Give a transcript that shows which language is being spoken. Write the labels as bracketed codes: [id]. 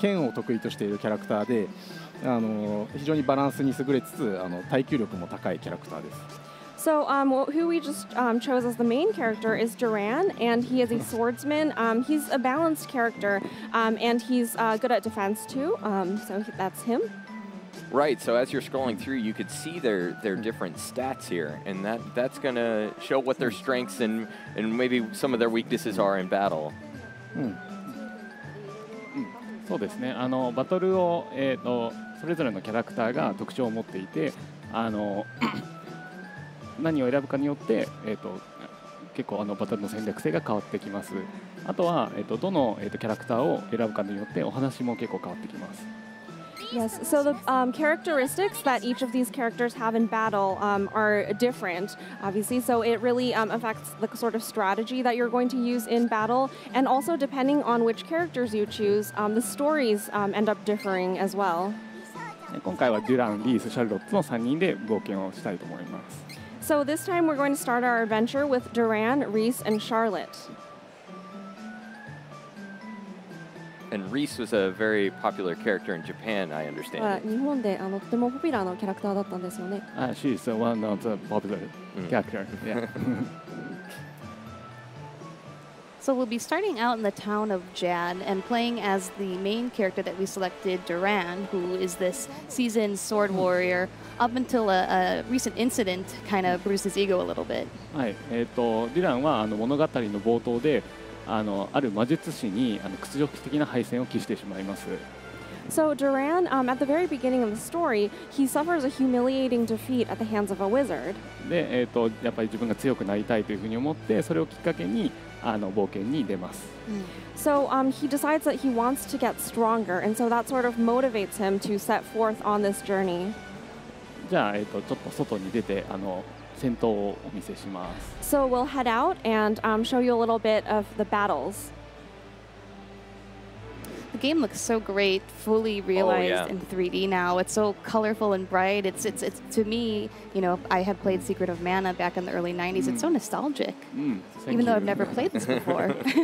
[ja] 剣を得意としているキャラクターで、あの、非常にバランスに優れつつ、あの、耐久力も高いキャラクターです。 [en] So, who we just chose as the main character is Duran, and he is a swordsman. He's a balanced character, and he's good at defense too. So that's him. Right. So as you're scrolling through, you could see their different stats here, and that's going to show what their strengths and maybe some of their weaknesses are in battle. [ja] そうですね、あのバトルを、それぞれのキャラクターが特徴を持っていて、あの何を選ぶかによって、結構あのバトルの戦略性が変わってきます。あとは、どの、キャラクターを選ぶかによってお話も結構変わってきます。 [en] Yes, so the characteristics that each of these characters have in battle are different, obviously. So it really affects the sort of strategy that you're going to use in battle. And also, depending on which characters you choose, the stories end up differing as well. [ja] 今回はデュラン、リース、シャルロットの3人で冒険をしたいと思います。 [en] So this time we're going to start our adventure with Duran, Reese, and Charlotte. And Reese was a very popular character in Japan, I understand. [ja] 日本で、あの、とてもポピュラーなキャラクターだったんですよね。 [en] She's one of the popular characters. Yeah. So we'll be starting out in the town of Jad and playing as the main character that we selected, Duran, who is this seasoned sword warrior. Up until a recent incident kind of bruised his ego a little bit. [ja] はい。デュランはあの物語の冒頭で、あの、ある魔術師にあの屈辱的な敗戦を喫してしまいます。 [en] So Duran, at the very beginning of the story, he suffers a humiliating defeat at the hands of a wizard. [ja] で、やっぱり自分が強くなりたいというふうに思って、それをきっかけにあの冒険に出ます。 [en] So he decides that he wants to get stronger, and so that sort of motivates him to set forth on this journey. [ja] じゃあ、ちょっと外に出て、あの、戦闘をお見せします。 [en] So we'll head out and show you a little bit of the battles. The game looks so great, fully realized in 3D now. It's so colorful and bright. It's to me, you know, I have played Secret of Mana back in the early 90s. It's so nostalgic. Even though I've never played this before.